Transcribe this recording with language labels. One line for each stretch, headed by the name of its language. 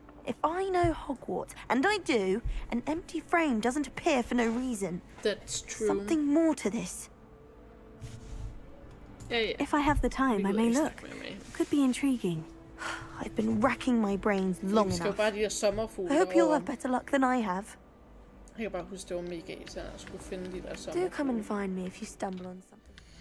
English: If I know Hogwarts, and I do, an empty frame doesn't appear for no reason. That's true. Something more to this. If I have the time, I may look. Could be intriguing. I've been racking my brains long enough. I hope you'll have better luck than I have.
Danish: Jeg kan bare huske, det var mega irriterende, at jeg skulle finde de der sommer.
English: Do come and find me if you stumble on something.